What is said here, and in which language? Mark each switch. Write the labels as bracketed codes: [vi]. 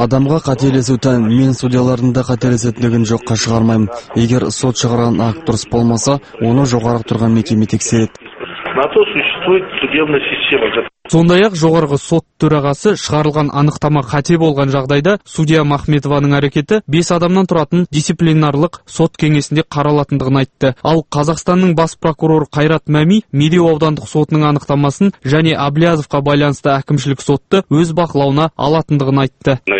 [kk] Адамға қателесу тән, мен судьялардың да қателесетінін жоққа шығармаймын. Егер сот шығарған акт дұрыс болмаса, оны жоғарғы тұрған мекеме тексереді. [ru] На то существует судебная система. [kk] Сондай-ақ жоғарғы сот төрағасы шығарылған анықтама қате болған жағдайда судья Махметованың әрекеті 5 адамнан тұратын дисциплинарлық сот кеңесінде қаралатындығын айтты. Ал Қазақстанның бас прокуроры Қайрат Мәми Медеу аудандық сотының анықтамасын және Әблязовқа байланысты әкімшілік сотты өз бақылауына алатындығын айтты.